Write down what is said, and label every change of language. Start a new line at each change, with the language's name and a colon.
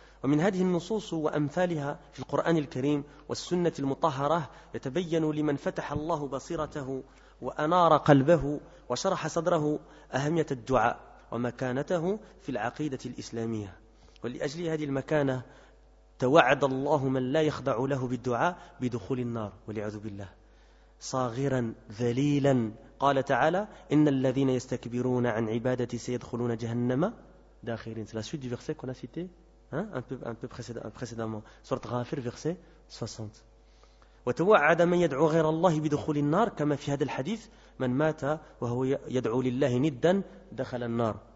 Arabic: ومن هذه النصوص وأمثالها في القرآن الكريم والسنة المطهرة يتبين لمن فتح الله بصيرته وأنار قلبه وشرح صدره أهمية الدعاء ومكانته في العقيدة الإسلامية ولأجل هذه المكانة توعد الله من لا يخضع له بالدعاء بدخول النار والعياذ بالله صاغرا ذليلا قال تعالى إن الذين يستكبرون عن عبادتي سيدخلون جهنم داخرين.
French: C'est la suite du verset qu'on a cité un peu précédemment. Surat Ghafir, verset 60.
Arabic: وتوعد من يدعو غير الله بدخول النار كما في هذا الحديث من مات وهو يدعو لله ندا دخل النار.